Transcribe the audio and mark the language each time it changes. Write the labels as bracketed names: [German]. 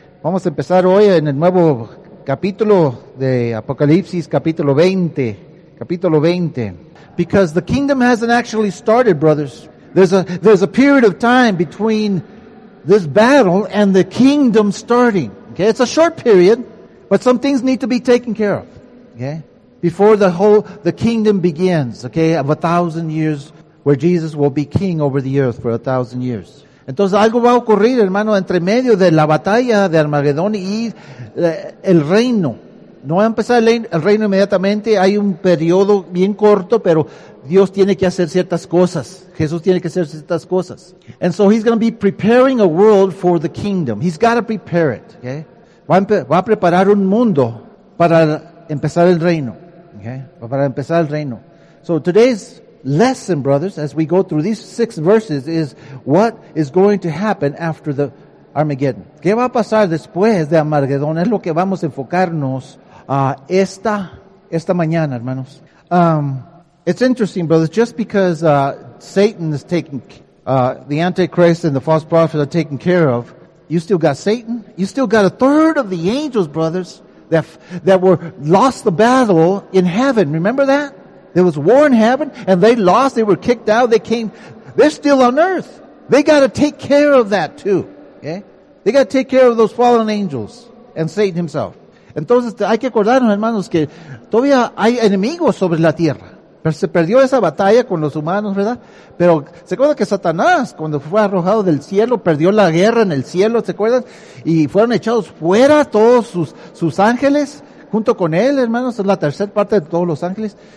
[Spanish] Vamos a empezar hoy en el nuevo capítulo de Apocalipsis, capítulo 20. Capítulo 20. [English] Because the kingdom hasn't actually started, brothers. There's a period of time between this battle and the kingdom starting. Okay, it's a short period, but some things need to be taken care of. Okay, before the kingdom begins. Okay, of 1,000 years. Where Jesus will be king over the earth for 1,000 years. [Spanish] Entonces algo va a ocurrir, hermano, entre medio de la batalla de Armagedón y el reino. No va a empezar el reino inmediatamente. Hay un periodo bien corto, pero Dios tiene que hacer ciertas cosas. Jesús tiene que hacer ciertas cosas. [English] And so he's going to be preparing a world for the kingdom. He's got to prepare it. Okay? [Spanish] Va a preparar un mundo para empezar el reino. Okay? Para empezar el reino. [English] So today's lesson, brothers, as we go through these 6 verses, is what is going to happen after the Armageddon. [Spanish] ¿Qué va a pasar después de Armageddon? Es lo que vamos a enfocarnos esta mañana, hermanos. [English] It's interesting, brothers, just because Satan is taking, the Antichrist and the false prophet are taken care of, you still got Satan? You still got a third of the angels, brothers, that were lost the battle in heaven. Remember that? There was war in heaven, and they lost, they were kicked out, they came, they're still on earth. They got to take care of that too, okay? They got to take care of those fallen angels and Satan himself. [Spanish] Entonces, hay que acordarnos, hermanos, que todavía hay enemigos sobre la tierra. Pero se perdió esa batalla con los humanos, ¿verdad? Pero, ¿se acuerdan que Satanás, cuando fue arrojado del cielo, perdió la guerra en el cielo, ¿se acuerdan? Y fueron echados fuera todos sus ángeles, junto con él, hermanos, es la tercera parte de todos los ángeles.